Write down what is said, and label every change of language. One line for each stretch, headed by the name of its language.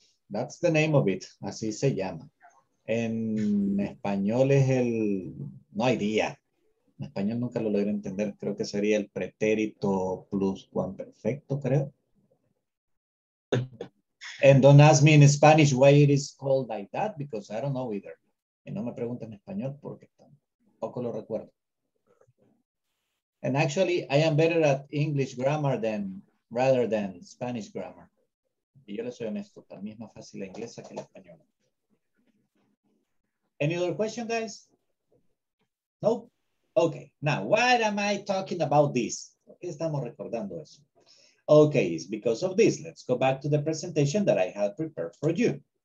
English: That's the name of it.
Spanish: Así se llama. En español es el... No hay día. En español nunca lo logré entender. Creo que sería el pretérito plus cuán perfecto, creo.
English: And don't ask me in Spanish why it is called like that, because I don't know either.
Spanish: Y no me pregunten en español porque tampoco lo recuerdo.
English: And actually, I am better at English grammar than rather than Spanish grammar.
Spanish: Y yo les soy honesto, para mí es más fácil la inglesa que la española.
English: Any other question, guys? Nope. Okay, now, why am I talking about this?
Spanish: ¿Por qué estamos recordando eso?
English: Okay, it's because of this. Let's go back to the presentation that I have prepared for you.